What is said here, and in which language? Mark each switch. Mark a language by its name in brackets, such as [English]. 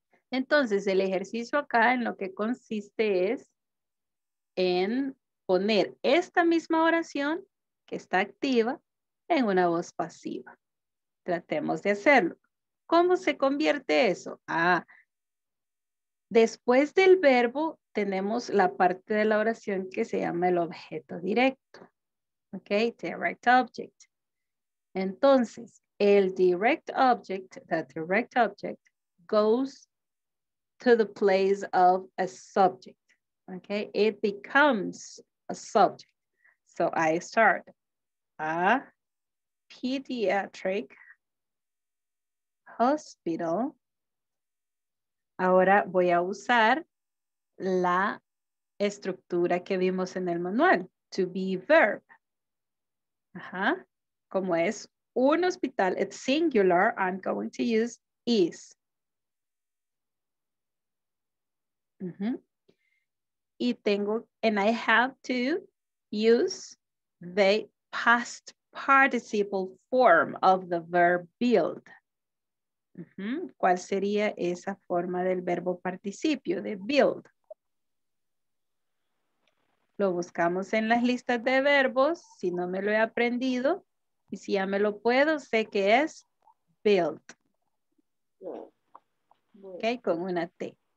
[Spanish] Entonces, el ejercicio acá en lo que consiste es en poner esta misma oración que está activa en una voz pasiva. Tratemos de hacerlo. ¿Cómo se convierte eso? Ah, después del verbo tenemos la parte de la oración que se llama el objeto directo. [English] Ok, direct object. [Spanish] Entonces, el direct object, [English] the direct object, goes to the place of a subject. Ok, it becomes a subject. So I start a pediatric hospital. [Spanish] Ahora voy a usar la estructura que vimos en el manual, to be verb. Ajá. Como es un hospital, [English] it's singular, I'm going to use is. Uh-huh. [Spanish] Y tengo, [English] and I have to use the past participle form of the verb build. Uh-huh. [Spanish] ¿Cuál sería esa forma del verbo participio, de build? Lo buscamos en las listas de verbos, si no me lo he aprendido. Y si ya me lo puedo, sé que es build. Ok, con una T.